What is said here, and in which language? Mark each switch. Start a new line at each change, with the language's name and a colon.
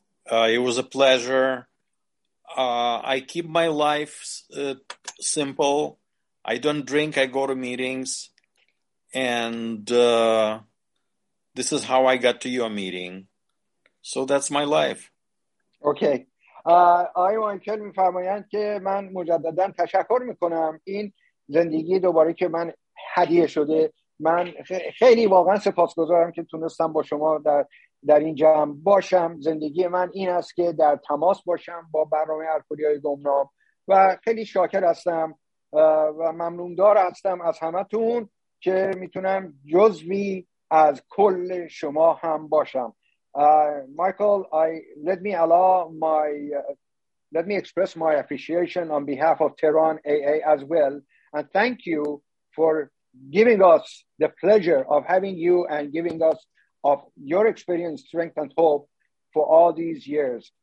English: It was a pleasure. I keep my life simple. I don't drink. I go to meetings, and this is how I got to your meeting. So that's my life. Okay.
Persian: آقای وانکل می‌فرمایند که من مجدداً تشکر می‌کنم این زندگی دوباره که من هدیه شده. من خیلی واقعاً سپاسگزارم که تونستم با شما در این جمع باشم. زندگی من این است که در تماس باشم با برنامه الکلی‌های گمنام و خیلی شاکر هستم و ممنوندار هستم از همتون که میتونم جزوی از کل شما هم باشم.
English: Michael, let me express my appreciation on behalf of Tehran AA as well, and thank you for giving us the pleasure of having you and giving us of your experience, strength, and hope for all these years.